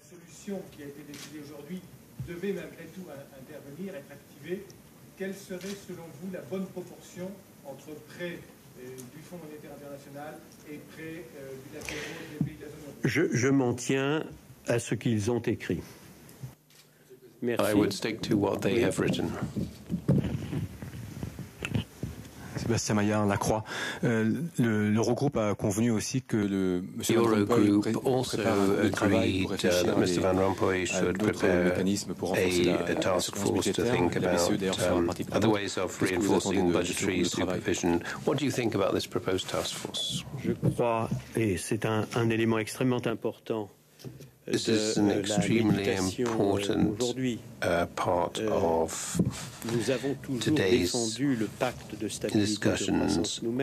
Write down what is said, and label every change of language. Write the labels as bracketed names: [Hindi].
[French] La solution qui a été décidée aujourd'hui devait malgré tout intervenir, être activée, quelle serait selon vous la bonne proportion entre prêts du Fonds monétaire international et prêts bilatéraux des pays de la zone euro? Je m'en tiens à ce qu'ils ont écrit. Merci. [English] I would stick to what they have written. [French] Sébastien Maillard, La Croix. L'Eurogroupe a convenu aussi que le [English] Eurogroup also agreed that Mr. Van Rompuy should prepare a task force to think about other ways of reinforcing budgetary supervision. What do you think about this proposed task force? [French] Je crois, et c'est un élément extrêmement important. [English] This is an extremely important part of today's discussions.